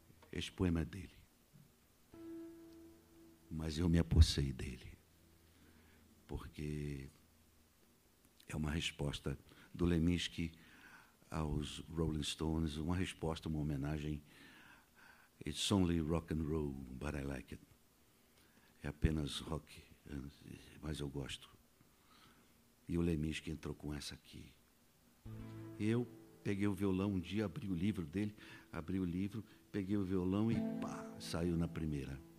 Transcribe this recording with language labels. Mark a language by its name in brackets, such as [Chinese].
[Portuguese] Este poema é dele. Mas eu me apossei dele. Porque é uma resposta do Leminski aos Rolling Stones, uma resposta, uma homenagem. [English] It's only rock and roll, but I like it. [Portuguese] É apenas rock, mas eu gosto. E o Leminski entrou com essa aqui. Eu peguei o violão um dia, abri o livro dele, abri o livro, peguei o violão e pá, saiu na primeira.